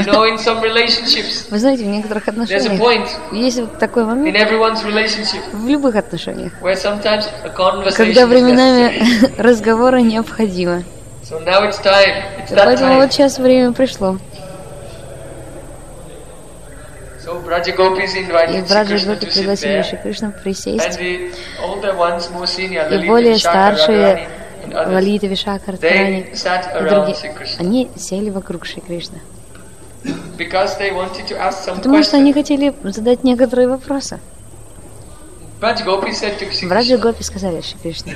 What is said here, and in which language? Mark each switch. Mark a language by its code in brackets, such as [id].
[en] You know, in some relationships, [ru] вы знаете, в некоторых отношениях есть вот такой момент [en] in everyone's relationship, [ru] в любых отношениях, [en] where sometimes a conversation [ru] когда временами разговора необходимо. [en] So now it's time. It's that [ru] поэтому [en] time. [ru] Вот сейчас время пришло. [en] So, Braja Gopis invited Shri Krishna to sit there. [ru] Krishna присесть. [en] And the older ones, more senior, [ru] и более старшие Лалита, Вишакха, Радхарани и другие, они сели вокруг Шри Кришны. Потому что они хотели задать некоторые вопросы. Браджа Гопи сказали Шри Кришне: